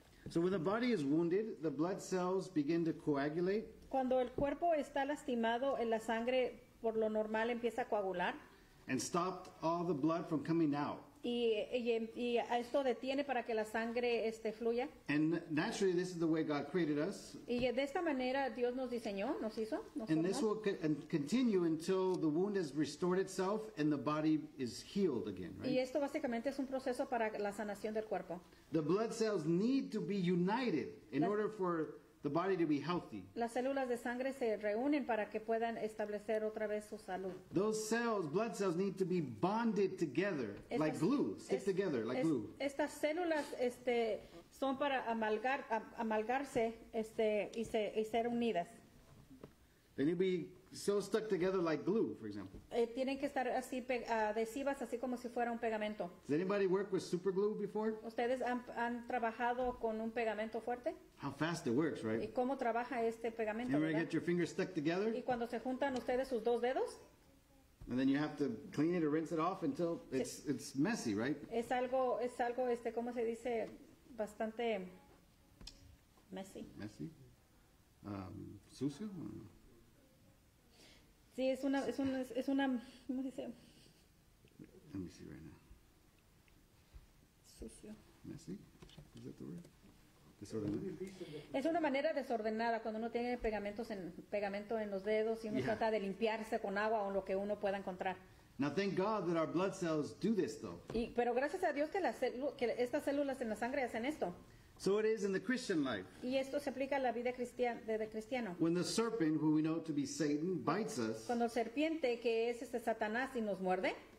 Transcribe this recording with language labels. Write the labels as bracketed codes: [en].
[en] So when the body is wounded, the blood cells begin to coagulate. [es] Cuando el cuerpo está lastimado, la sangre por lo normal empieza a coagular. [en] And stopped all the blood from coming out. [es] Y esto detiene para que la sangre fluya. [en] And naturally, this is the way God created us. [es] Y de esta manera Dios nos diseñó, nos hizo. Nos [en] and this will continue until the wound has restored itself and the body is healed again, right? [es] Y esto básicamente es un proceso para la sanación del cuerpo. [en] The blood cells need to be united in order for the body to be healthy. [es] Las células de sangre se reúnen para que puedan establecer otra vez su salud. [en] Those cells, blood cells, need to be bonded together, like glue, stick together, like glue. [es] Estas células son para amalgarse y ser unidas. [en] They need to be so stuck together like glue, for example. [es] Tienen que estar así adhesivas, así como si fuera un pegamento. [en] Has anybody worked with super glue before? [es] ¿Ustedes han trabajado con un pegamento fuerte? [en] How fast it works, right? [es] ¿Y cómo trabaja pegamento, [en] and get your fingers stuck together? [es] ¿Y cuando se juntan ustedes sus dos dedos? [en] And then you have to clean it or rinse it off until it's messy, right? [es] Es algo, ¿cómo se dice? Bastante messy. Messy? Sucio? Sí, es una, ¿cómo se dice? [en] Let me see right now. [es] Sucio. [en] Messy? Is that the word? Desordenada. [es] Es una manera desordenada cuando uno tiene pegamento en los dedos y uno trata de limpiarse con agua o lo que uno pueda encontrar. [en] Now thank God that our blood cells do this, though. [es] Pero gracias a Dios que estas células en la sangre hacen esto. [en] So it is in the Christian life. [es] Y esto se aplica a la vida de cristiano. [en] When the serpent, who we know to be Satan, bites us. [es] Cuando la serpiente, que es Satanás, y nos muerde.